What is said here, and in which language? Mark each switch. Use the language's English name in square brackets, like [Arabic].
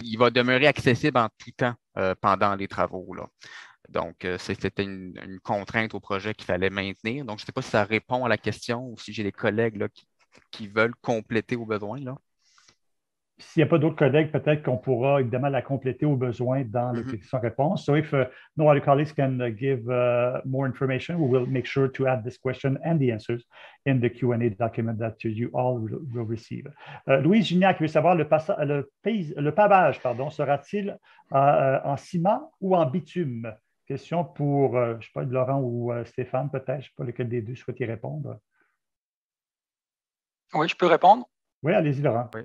[French] Il va demeurer accessible en tout temps pendant les travaux. Là. Donc, c'était une contrainte au projet qu'il fallait maintenir. Donc, je ne sais pas si ça répond à la question ou si j'ai des collègues là, qui veulent compléter au besoin. Là. S'il n'y a pas d'autres collègues, peut-être qu'on pourra évidemment la compléter au besoin dans les questions-réponses. [English] So if no other colleagues can give more information, we will make sure to add this question and the answers in the Q&A document that you all will receive. [French] Louise Gignac veut savoir, le pavage sera-t-il en ciment ou en bitume? Question pour, je ne sais pas, Laurent ou Stéphane, peut-être, je ne sais pas lequel des deux souhaite y répondre. Oui, je peux répondre. Oui, allez-y, Laurent.